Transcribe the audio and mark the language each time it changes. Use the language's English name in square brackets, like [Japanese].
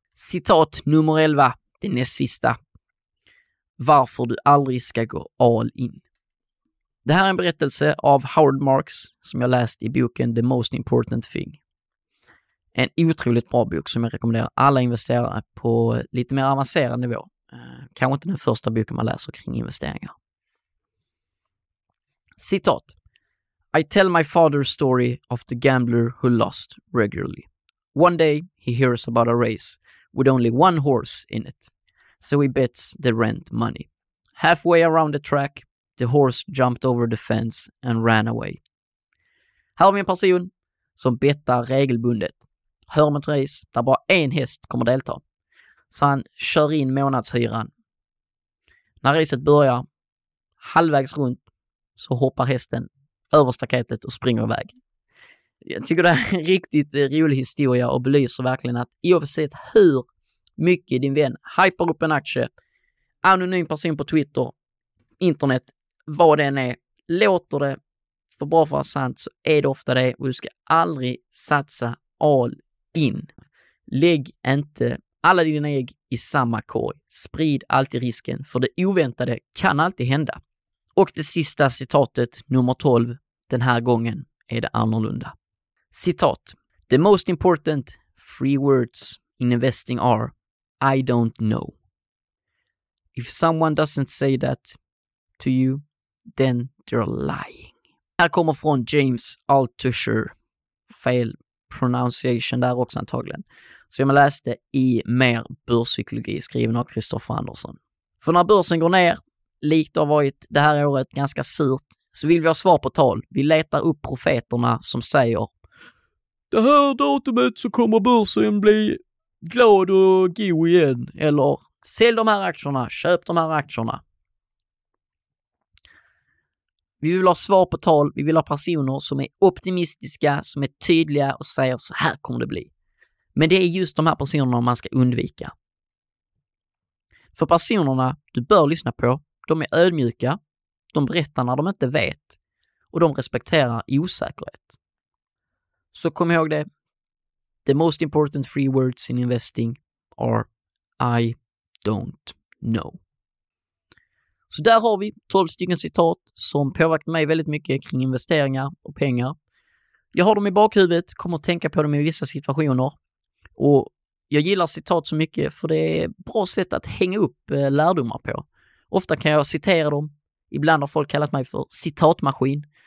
[Swedish] Citat nummer 11, det näst sista. Varför du aldrig ska gå all in. Det här är en berättelse av Howard Marks som jag läst i boken The Most Important Thing. En otroligt bra bok som jag rekommenderar alla investerare på lite mer avancerad nivå. Kanske inte den första boken man läser kring investeringar. [English] Citat: I tell my father's story of the gambler who lost regularly. One day he hears about a race with only one horse in it. So he bets the rent money. Halfway around the track, the horse jumped over the fence and ran away. [Swedish] Här har vi en person som bettar regelbundet. Hör om ett race där bara en häst kommer delta. Så han kör in månadshyran. När racet börjar, halvvägs runt, så hoppar hästen över staketet och springer iväg. Jag tycker det är en riktigt rolig historia och belyser verkligen att oavsett hur mycket din vän hypar upp en aktie, anonym person på Twitter, internet, vad den är, låter det för bra för att vara sant, så är det ofta det. Och du ska aldrig satsa all in. Lägg inte alla dina ägg i samma korg. Sprid alltid risken, för det oväntade kan alltid hända. Och det sista citatet, nummer 12, den här gången är det annorlunda. Citat: [English] The most important three words in investing are, I don't know. If someone doesn't say that to you, then they're lying. [Swedish] Här kommer från James Altucher. Fel pronunciation där också antagligen. Så jag läste i Mer börspsykologi skriven av Christoffer Andersson. För när börsen går ner, likt har varit det här året ganska surt, så vill vi ha svar på tal. Vi letar upp profeterna som säger, det här datumet så kommer börsen bli glad och god igen. Eller, sälj de här aktierna, köp de här aktierna. Vi vill ha svar på tal. Vi vill ha personer som är optimistiska, som är tydliga och säger, så här kommer det bli. Men det är just de här personerna man ska undvika. För personerna du bör lyssna på, de är ödmjuka, de berättar när de inte vet och de respekterar osäkerhet. Så kom ihåg det. [English] The most important three words in investing are I don't know. [Swedish] Så där har vi 12 stycken citat som påverkat mig väldigt mycket kring investeringar och pengar. Jag har dem i bakhuvudet, kommer att tänka på dem i vissa situationer. Och jag gillar citat så mycket för det är ett bra sätt att hänga upp lärdomar på. Ofta kan jag citera dem. Ibland har folk kallat mig för citatmaskin.